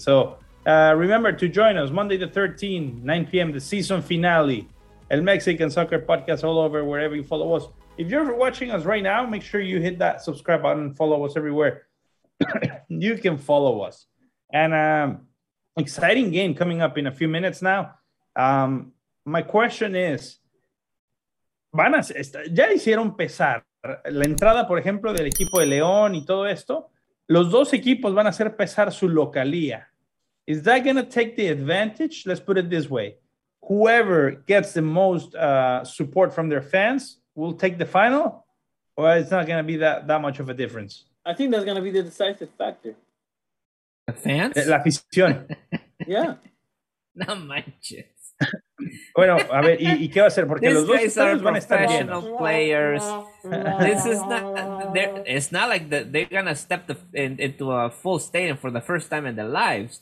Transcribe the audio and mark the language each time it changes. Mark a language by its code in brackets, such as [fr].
[en] So remember to join us Monday the 13th, 9 p.m., the season finale. El Mexican Soccer Podcast, all over, wherever you follow us. If you're watching us right now, make sure you hit that subscribe button and follow us everywhere. You can follow us. And exciting game coming up in a few minutes now. My question is, [es] ¿van a, ya hicieron pesar la entrada, por ejemplo, del equipo de León y todo esto? Los dos equipos van a hacer pesar su localía. [en] Is that going to take the advantage? Let's put it this way. Whoever gets the most support from their fans will take the final, or it's not going to be that much of a difference? I think that's going to be the decisive factor. The fans? [es] La afición. [en] Yeah. [es] No manches. Bueno, a ver, ¿y qué va a hacer? Porque los dos estadios van a estar llenos. [en] Players. This is not. It's not like the, they're gonna step the, in, into a full stadium for the first time in their lives.